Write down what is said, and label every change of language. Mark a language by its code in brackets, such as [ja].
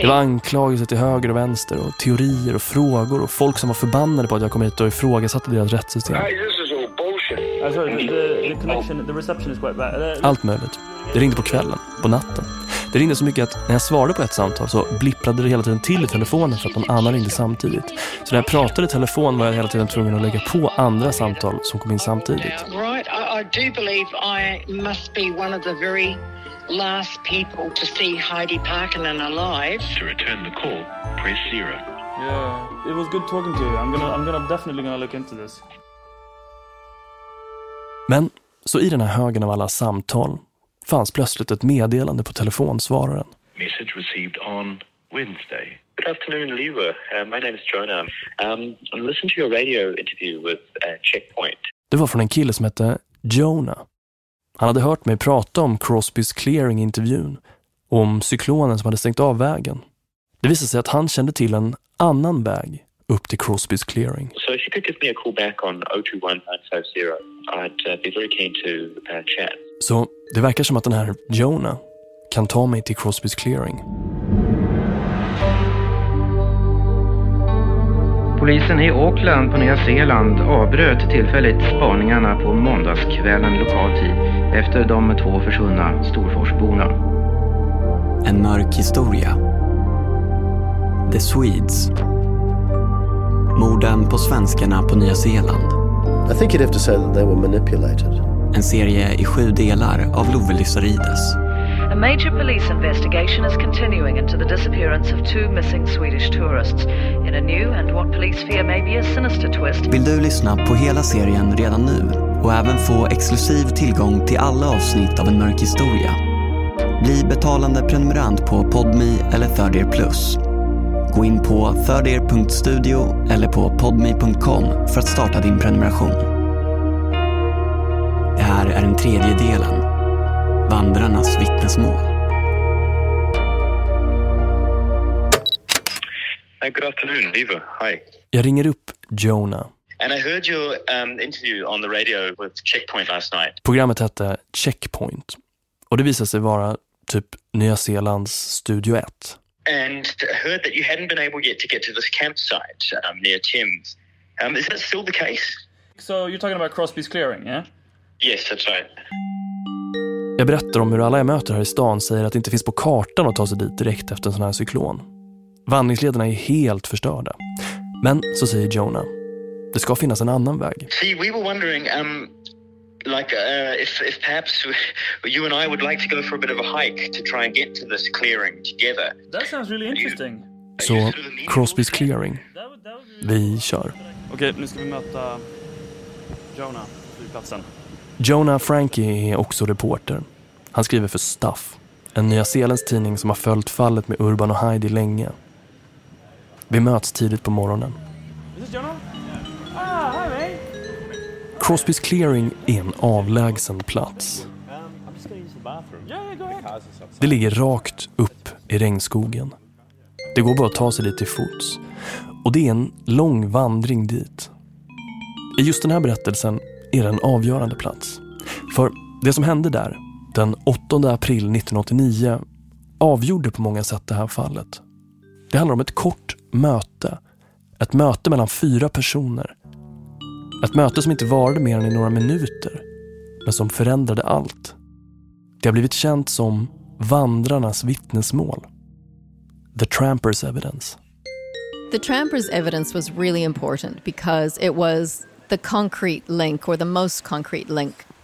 [sv] Det var anklagelser till höger och vänster och teorier och frågor och folk som var förbannade på att jag kom hit och ifrågasatte deras rättssystem. [en] Hey, this is all bullshit. The connection, the reception is quite bad. [sv] Allt möjligt. Det ringde på kvällen, på natten. Det ringde så mycket att när jag svarade på ett samtal så blipprade det hela tiden till i telefonen för att de andra ringde samtidigt. Så när jag pratade i telefon var jag hela tiden tvungen att lägga på andra samtal som kom in samtidigt. [en] Right, I do believe I must be one of the very last people to see Heidi Parkinen alive. To return the call, press 0. Yeah, it was good talking to you. I'm definitely gonna look into this. [sv] Men så i den här högen av alla samtal fanns plötsligt ett meddelande på telefonsvararen. [en] Message received on Wednesday. Good afternoon, Lever. My name is Jonah. I'm listening to your radio interview with Checkpoint. [sv] Det var från en kille som hette Jonah. Han hade hört mig prata om Crosby's Clearing-intervjun och om cyklonen som hade stängt av vägen. Det visade sig att han kände till en annan väg upp till Crosby's Clearing. [en] So if you could give me a call back on 021950, I'd be very keen to chat. [sv] Så det verkar som att den här Jonah kan ta mig till Crosby's Clearing. Polisen i Auckland på Nya Zeeland avbröt tillfälligt spaningarna på måndagskvällen lokal tid efter de två försvunna storforsborna. En mörk historia. [en] The Swedes. [sv] Morden på svenskarna på Nya Zeeland. [en] I think you'd have to say that they were manipulated. [sv] En serie i 7 delar av Love Lysarides. [en] A major police investigation is continuing into the disappearance of 2 missing Swedish tourists in a new and what police fear may be a sinister twist. [sv] Vill du lyssna på hela serien redan nu och även få exklusiv tillgång till alla avsnitt av En mörk historia? Bli betalande prenumerant på Podme eller Third Ear Plus. Gå in på thirdear.studio eller på podme.com för att starta din prenumeration. Det här är den tredje delen. Vandrarnas vittnesmål. [en] Good afternoon, Eva. Hi. [sv] Jag ringer upp Jonah. [en] And I heard your interview on the radio with Checkpoint last night. [sv] Programmet hette Checkpoint. Och det visade sig vara typ Nya Zeelands Studio 1. [en] And heard that you hadn't been able yet to get to this campsite near Thames. Is that still the case? So you're talking about Crosby's Clearing, yeah? Yes, that's right. [sv] Jag berättar om hur alla jag möter här i stan säger att det inte finns på kartan att ta sig dit direkt efter en sån här cyklon. Vandringslederna är helt förstörda. Men så säger Jonah, det ska finnas en annan väg. [en] See, we were wondering like if perhaps you and I would like to go for a bit of a hike to try and get to this clearing together. That sounds really interesting. [sv] Så Crosby's clearing. Vi kör. Okej, nu ska vi möta Jonah på platsen. Jonah Frankie är också reporter. Han skriver för Stuff, en nyzeeländsk tidning som har följt fallet med Urban och Heidi länge. Vi möts tidigt på morgonen. [en] Is it Jonah? Ah, hi mate. [sv] Crosby's clearing är en avlägsen plats. Det ligger rakt upp i regnskogen. Det går bara att ta sig dit till fots. Och det är en lång vandring dit. I just den här berättelsen är det en avgörande plats. För det som hände där, den 8 april 1989, avgjorde på många sätt det här fallet. Det handlar om ett kort möte. Ett möte mellan fyra personer. Ett möte som inte varade mer än i några minuter, men som förändrade allt. Det har blivit känt som vandrarnas vittnesmål. [en] The Tramper's evidence. The Tramper's evidence was really important because it was the concrete link, or the most concrete link.